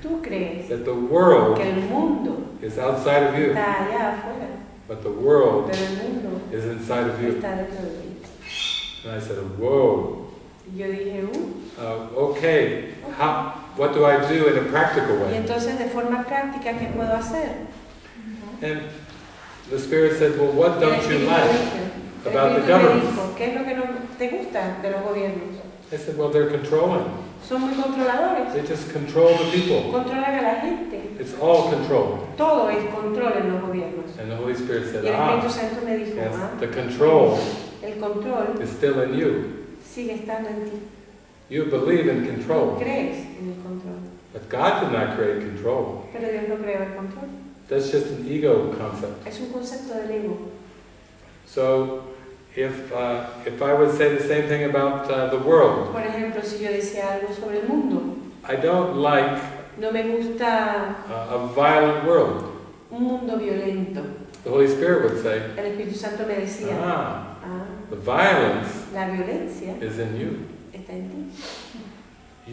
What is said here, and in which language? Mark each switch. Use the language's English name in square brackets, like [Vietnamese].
[Spanish] tú crees [English] that the world [Spanish] que el mundo [English] is outside of you, [Spanish] está allá afuera, [English] but the world [Spanish] pero el mundo [English] is inside of you. [Spanish] Está dentro de ti. [English] And I said, whoa. [Spanish] Yo dije, [English] okay. How, what do I do in a practical way? [Spanish] Y entonces, de forma práctica, ¿qué puedo hacer? [English] And the Spirit said, well, what don't you like about the governments? [Spanish] ¿Qué es lo que no te gusta de los gobiernos? [English] I said, well, they're controlling. [Spanish] Son muy controladores. [English] They just control the people. [Spanish] Controlan a la gente. [English] It's all control. [Spanish] Todo es control en los gobiernos. [English] And the Holy Spirit said, [Spanish] y el Espíritu Santo me dijo, [English] yes, ah, the control, [Spanish] el control [English] is still in you. [Spanish] Sigue estando en ti. [English] You believe in control. [Spanish] No crees en el control. [English] But God did not create control. [Spanish] Pero Dios no creó el control. [English] That's just an ego concept. [Spanish] Es un concepto del ego. [English] So, if I would say the same thing about the world, [Spanish] por ejemplo, si yo decía algo sobre el mundo, [English] I don't like [Spanish] no me gusta [English] a violent world. [Spanish] Un mundo violento. [English] The Holy Spirit would say, [Spanish] el Espíritu Santo me decía, [English] the violence, [Spanish] la violencia, [English] is in you. [Spanish] Está en ti.